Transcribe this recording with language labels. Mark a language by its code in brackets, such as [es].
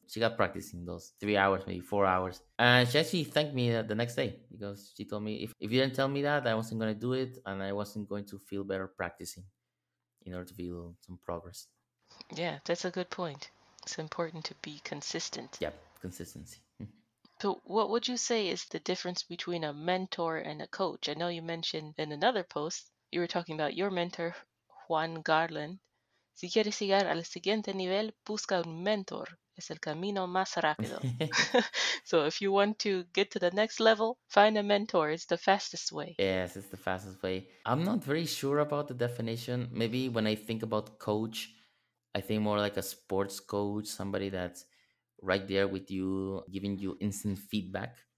[en] She got practicing those 3 hours, maybe 4 hours. And she actually thanked me the next day because she told me, if you didn't tell me that, I wasn't going to do it and I wasn't going to feel better practicing in order to feel some progress. Yeah, that's a good point. It's important to be consistent. Yeah, consistency. So what would you say is the difference between a mentor and a coach? I know you mentioned in another post, you were talking about your mentor, Juan Garland. [es] Si quieres llegar al siguiente nivel, busca un mentor. Es el camino más rápido. [en] So if you want to get to the next level, find a mentor. It's the fastest way. Yes, it's the fastest way. I'm not very sure about the definition. Maybe when I think about coach, I think more like a sports coach, somebody that's right there with you, giving you instant feedback.